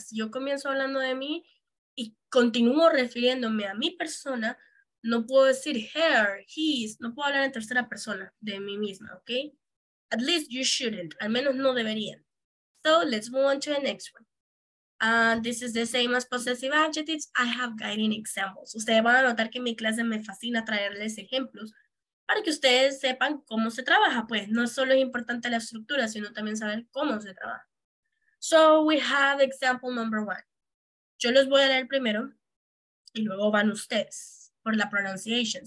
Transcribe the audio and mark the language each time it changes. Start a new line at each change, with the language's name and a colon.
Spanish: Si yo comienzo hablando de mí y continúo refiriéndome a mi persona, no puedo decir her, his, no puedo hablar en tercera persona de mí misma, ¿ok?
English: At least you shouldn't.
Spanish: Al menos no deberían.
English: So let's move on to the next one. This is the same as possessive adjectives. I have guiding examples.
Spanish: Ustedes van a notar que en mi clase me fascina traerles ejemplos para que ustedes sepan cómo se trabaja. Pues no solo es importante la estructura, sino también saber cómo se trabaja.
English: So we have example number one.
Spanish: Yo los voy a leer primero y luego van ustedes por la pronunciation.